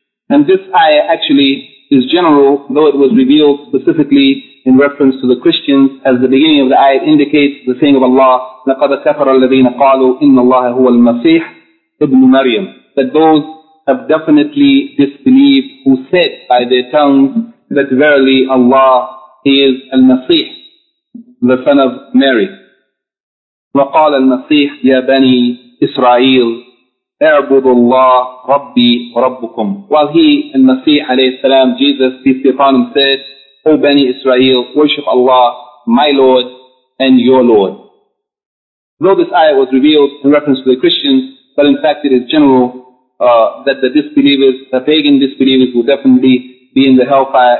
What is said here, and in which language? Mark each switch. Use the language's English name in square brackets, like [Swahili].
[English] And this ayah actually is general, though it was revealed specifically in reference to the Christians, as the beginning of the ayah indicates the saying of Allah, [Arabic] لَقَدَ كَفَرَ الَّذِينَ قَالُوا إِنَّ اللَّهَ هُوَ الْمَسِيحِ ابْنُ مَرْيَمِ, [English] that those have definitely disbelieved who said by their tongues that verily Allah, He is al-Masih, the son of Mary. [Arabic] وقال المسيح يا بني إسرائيل اعبدوا الله ربي ربكم. [English] While he, [Arabic] المسيح عليه السلام, [English] Jesus, peace be upon him, said, O Bani Israel, worship Allah, my Lord and your Lord. Though this ayah was revealed in reference to the Christians, but in fact it is general that the disbelievers, the pagan disbelievers, will definitely be in the hellfire.